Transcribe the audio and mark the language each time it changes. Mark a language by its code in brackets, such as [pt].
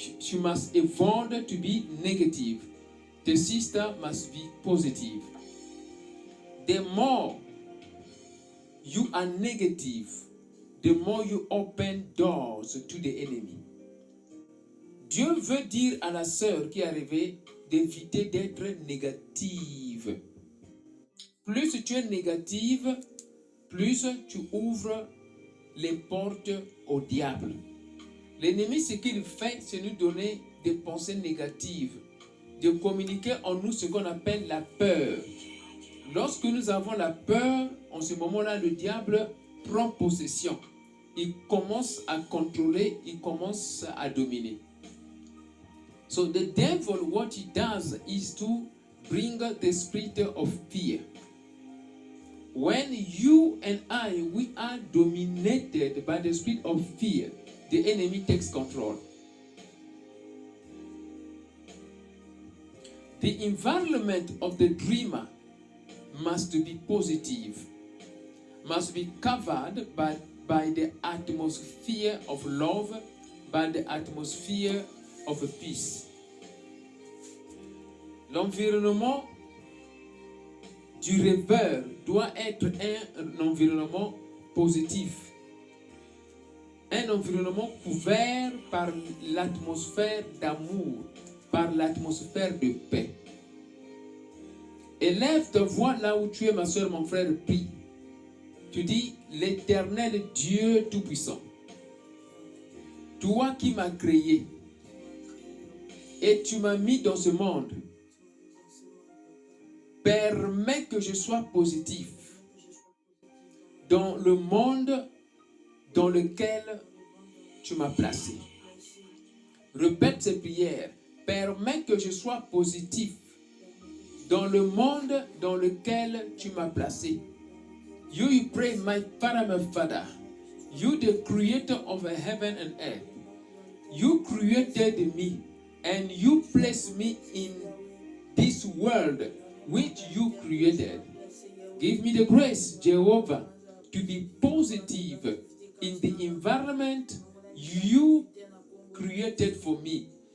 [en] She must avoid to be negative. The sister must be positive. The more you are negative, the more you open doors to the enemy. [fr] Dieu veut dire à la sœur qui est arrivée d'éviter d'être négative. Plus tu es négative, plus tu ouvres les portes au diable. L'ennemi, ce qu'il fait, c'est nous donner des pensées négatives, de communiquer en nous ce qu'on appelle la peur. Lorsque nous avons la peur, en ce moment-là, le diable prend possession. Il commence à contrôler, il commence à dominer. [en] So the devil, what he does is to bring the spirit of fear. When you and I, we are dominated by the spirit of fear, the enemy takes control. The environment of the dreamer must be positive, must be covered by the atmosphere of love, by the atmosphere of peace. [fr] L'environnement du rêveur doit être un environnement positif, un environnement couvert par l'atmosphère d'amour, par l'atmosphère de paix. Élève ta voix là où tu es, ma soeur, mon frère, prie. Tu dis, l'éternel Dieu Tout-Puissant, toi qui m'as créé et tu m'as mis dans ce monde, permets que je sois positif dans le monde dans lequel tu m'as placé. Répète cette prière. Permets que je sois positif dans le monde dans lequel tu m'as placé. [en] You pray, my father, you the creator of heaven and earth. You created me and you placed me in this world which you created. Give me the grace, Jehovah, to be positive in the environment you created for me.